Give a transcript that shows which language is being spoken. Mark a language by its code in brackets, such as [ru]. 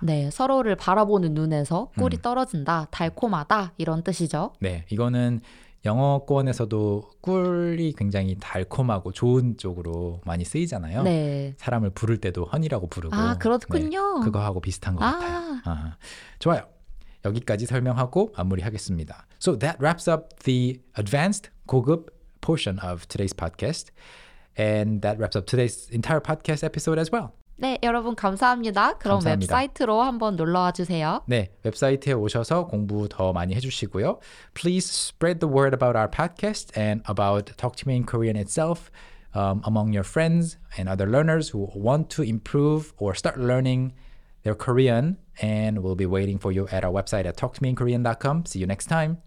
[ko] 네, 서로를 바라보는 눈에서 꿀이 떨어진다, 달콤하다 이런 뜻이죠. 네, 이거는 영어권에서도 꿀이 굉장히 달콤하고 좋은 쪽으로 많이 쓰이잖아요. 네. 사람을 부를 때도 허니라고 부르고. 아, 그렇군요. 네, 그거하고 비슷한 것 같아요. 좋아요. 여기까지 설명하고 마무리하겠습니다. [en] So that wraps up the advanced 고급 portion of today's podcast. And that wraps up today's entire podcast episode as well. [ko] 네, 여러분 감사합니다. 그럼 감사합니다. 웹사이트로 한번 놀러와 주세요. 네, 웹사이트에 오셔서 공부 더 많이 해주시고요. [en] Please spread the word about our podcast and about Talk to Me in Korean itself among your friends and other learners who want to improve or start learning their Korean. And we'll be waiting for you at our website at talktomeinkorean.com. See you next time.